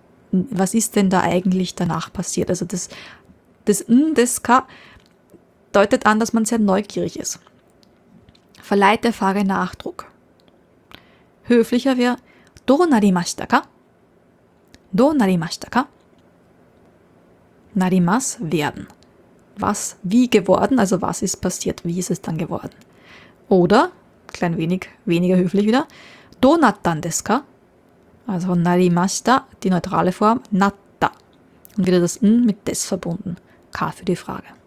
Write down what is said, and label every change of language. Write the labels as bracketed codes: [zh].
[de] was ist denn da eigentlich danach passiert? Also das n des ka,deutet an, dass man sehr neugierig ist. Verleiht der Frage Nachdruck. Höflicher wäre [ja] どうなりましたか? どうなりましたか? なります [de] werden. Was, wie geworden, also was ist passiert, wie ist es dann geworden? Oder, klein wenig weniger höflich wieder, [ja] どうなったんですか? [de] Also なりました, die neutrale Form, なった. Und wieder das N mit des verbunden. K für die Frage.